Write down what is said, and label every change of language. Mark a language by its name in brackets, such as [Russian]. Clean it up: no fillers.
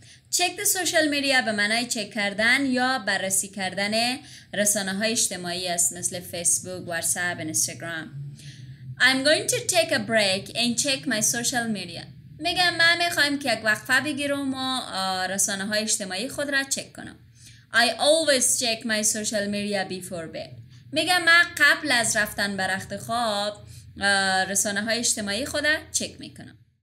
[English] check the social media [Persian] به معنای چک کردن یا بررسی کردن رسانه های اجتماعی است، مثل فیسبوک، واتساپ، اینستاگرام. [English] I'm going to take a break and check my social media. [Persian] میگم من میخوام که یک وقفه بگیرم و رسانه های اجتماعی خود را چک کنم. [English] I always check my social media before bed. [Persian] میگم من قبل از رفتن به رخت خواب رسانه های اجتماعی خود را چک میکنم.